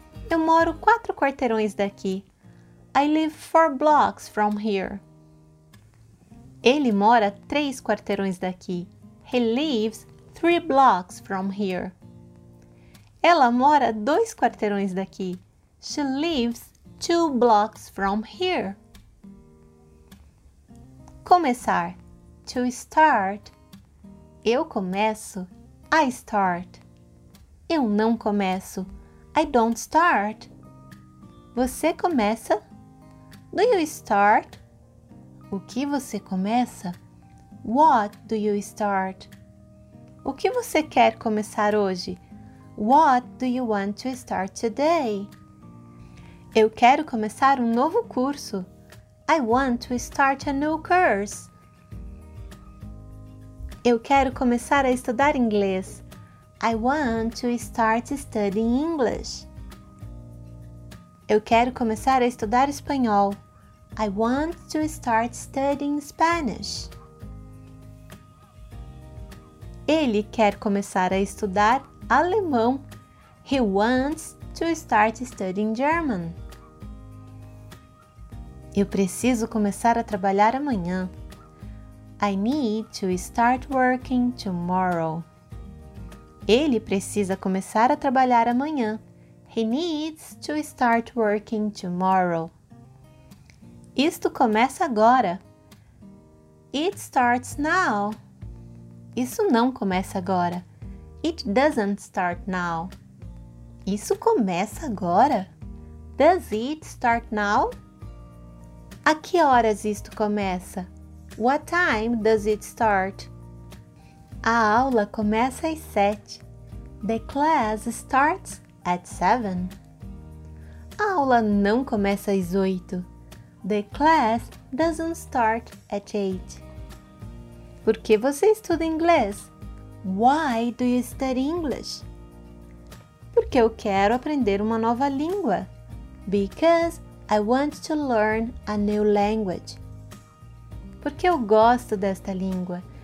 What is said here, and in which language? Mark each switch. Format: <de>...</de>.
<pt>Eu moro 4 quarteirões daqui.</pt> <en>I live 4 blocks from here.</en> <pt>Ele mora 3 quarteirões daqui.</pt> <en>He lives 3 blocks from here.</en> <pt>Ela mora 2 quarteirões daqui.</pt> <en>She lives 2 blocks from here.</en> <pt>Começar.</pt> <en>To start.</en> <pt>Eu começo.</pt> <en>I start.</en> <pt>Eu não começo.</pt> <en>I don't start.</en> <pt>Você começa?</pt> <en>Do you start?</en> <pt>O que você começa?</pt> <en>What do you start?</en> <pt>O que você quer começar hoje?</pt> <en>What do you want to start today?</en> <pt>Eu quero começar um novo curso.</pt> <en>I want to start a new course.</en> <pt>Eu quero começar a estudar inglês.</pt> <en>I want to start studying English.</en> <pt>Eu quero começar a estudar espanhol.</pt> <en>I want to start studying Spanish.</en> <pt>Ele quer começar a estudar alemão.</pt> <en>He wants to start studying German.</en> <pt>Eu preciso começar a trabalhar amanhã.</pt> <en>I need to start working tomorrow.</en> <pt>Ele precisa começar a trabalhar amanhã.</pt> <en>He needs to start working tomorrow.</en> <pt>Isto começa agora.</pt> <en>It starts now.</en> <pt>Isso não começa agora.</pt> <en>It doesn't start now.</en> <pt>Isso começa agora.</pt> <en>Does it start now?</en> <pt>A que horas isto começa?</pt> <en>What time does it start?</en> <pt>A aula começa às 7.</pt> <en>The class starts at 7.</en> <pt>A aula não começa às 8.</pt> <en>The class doesn't start at 8.</en> <pt>Por que você estuda inglês?</pt> <en>Why do you study English?</en> <pt>Porque eu quero aprender uma nova língua.</pt> <en>Because I want to learn a new language.</en> <pt>Porque eu gosto desta língua.</pt>